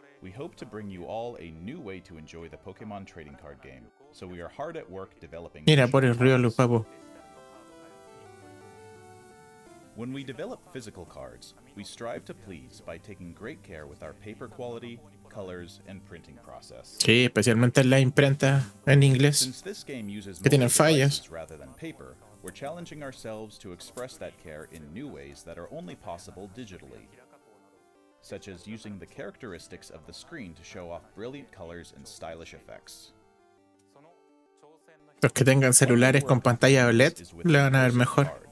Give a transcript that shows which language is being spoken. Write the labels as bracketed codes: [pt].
[en] We hope to bring you all a new way to enjoy the Pokemon trading card game. So we are hard at work developing... [es] Mira, por el río, Lupapo. [en] When we develop physical cards, we strive to please by taking great care with our paper quality, colors, and printing process. [es] Sí, especialmente la imprenta en inglés, que tienen fallas. [en] Rather than paper, we're challenging ourselves to express that care in new ways that are only possible digitally, such as using the characteristics of the screen to show off brilliant colors and stylish effects. [es] Los que tengan celulares con pantalla OLED le van a ver mejor.